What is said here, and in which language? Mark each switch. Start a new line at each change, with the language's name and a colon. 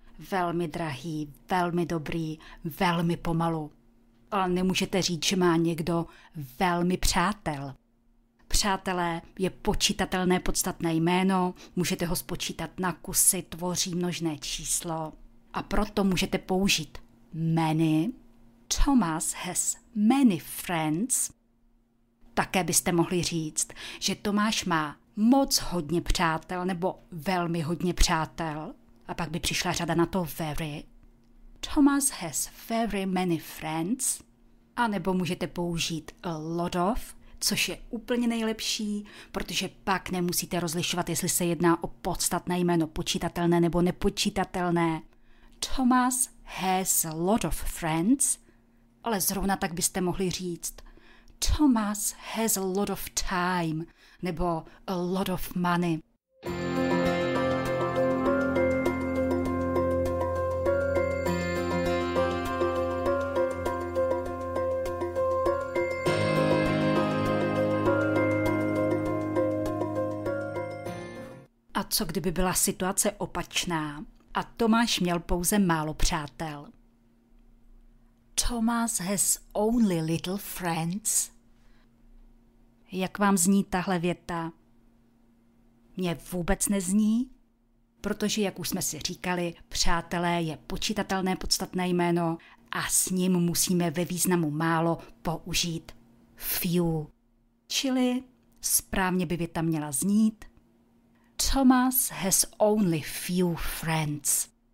Czech: Velmi drahý, velmi dobrý, velmi pomalu. Ale nemůžete říct, že má někdo velmi přátel. Přátelé je počítatelné podstatné jméno, můžete ho spočítat na kusy, tvoří množné číslo. A proto můžete použít many.
English: Thomas has many friends.
Czech: Také byste mohli říct, že Tomáš má moc hodně přátel nebo velmi hodně přátel. A pak by přišla řada na to very.
English: Thomas has very many friends.
Czech: A nebo můžete použít a lot of, což je úplně nejlepší, protože pak nemusíte rozlišovat, jestli se jedná o podstatné jméno počítatelné nebo nepočítatelné.
English: Thomas has a lot of friends.
Czech: Ale zrovna tak byste mohli říct
English: Thomas has a lot of time
Czech: nebo
English: a lot of money.
Czech: A co kdyby byla situace opačná a Tomáš měl pouze málo přátel?
English: Thomas has only little friends.
Czech: Jak vám zní tahle věta? Mně vůbec nezní, protože jak už jsme si říkali, přátelé je počítatelné podstatné jméno a s ním musíme ve významu málo použít few. Čili správně by věta měla znít
English: Thomas has only few friends.